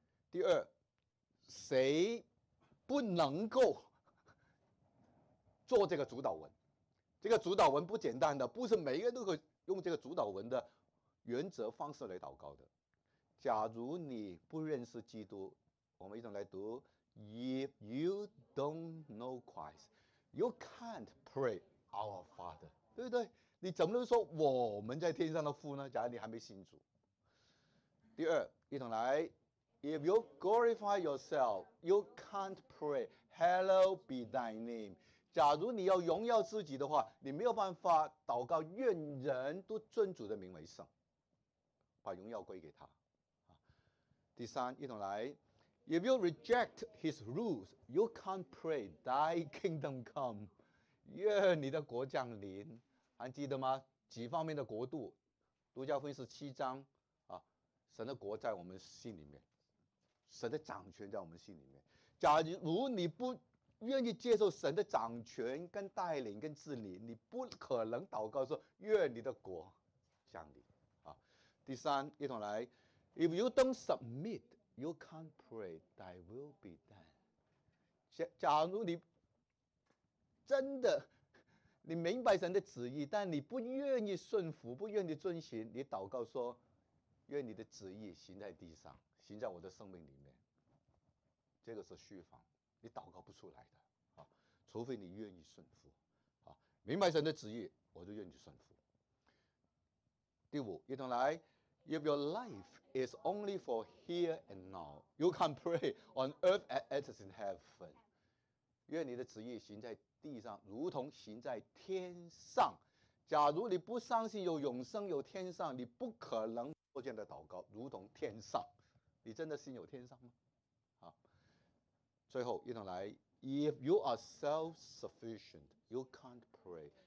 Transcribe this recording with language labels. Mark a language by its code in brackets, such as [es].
[zh] 第二，谁不能够做这个主导文？这个主导文不简单的，不是每一个人都可以用这个主导文的原则方式来祷告的。假如你不认识基督，我们一同来读。 [en] If you don't know Christ, you can't pray our Father. [zh] 对不对？你怎么能说我们在天上的父呢？假如你还没信主。第二，一同来 [en] If you glorify yourself, you can't pray, Hallow be thy name. [zh] 假如你要荣耀自己的话，你没有办法祷告，愿人都尊主的名为圣，把荣耀归给他。第三，一同来。 [en] If you reject his rules, you can't pray, thy kingdom come. [zh] 愿你的国降临。还记得吗？几方面的国度？路加福音是七章啊，神的国在我们心里面，神的掌权在我们心里面。假如你不愿意接受神的掌权跟带领跟治理，你不可能祷告说愿你的国降临啊。第三，一同来。 [en] If you don't submit, you can't pray, thy will be done. [zh] 假如你真的你明白神的旨意，但你不愿意顺服，不愿意遵循，你祷告说愿你的旨意行在地上，行在我的生命里面，这个是虚妄，你祷告不出来的啊，除非你愿意顺服啊，明白神的旨意我就愿意顺服。第五，一同来。 [en] If your life is only for here and now, you can pray on earth as it is in heaven. [zh] 愿你的旨意行在地上，如同行在天上。假如你不相信有永生、有天上，你不可能做这样的祷告，如同天上。你真的信有天上吗？好，最后一同来。 [en] If you are self-sufficient, you can't pray.